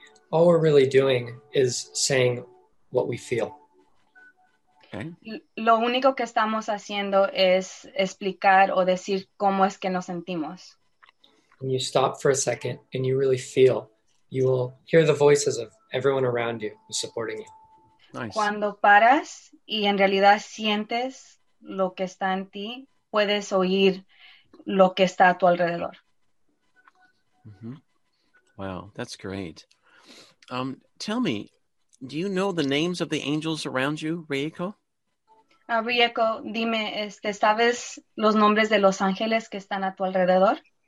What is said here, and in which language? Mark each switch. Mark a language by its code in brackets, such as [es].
[en] All we're really doing is saying what we feel. Okay. [es] Lo único que estamos haciendo es explicar o decir cómo es que nos sentimos. [en] When you stop for a second and you really feel, you will hear the voices of everyone around you who's supporting you. Nice. [es] Cuando paras y en realidad sientes lo que está en ti, puedes oír lo que está a tu alrededor. [en] Mm-hmm. Wow, that's great. Tell me, do you know the names of the angels around you, Reiko? [es] Reiko, dime, ¿sabes los nombres de los ángeles que están a tu alrededor?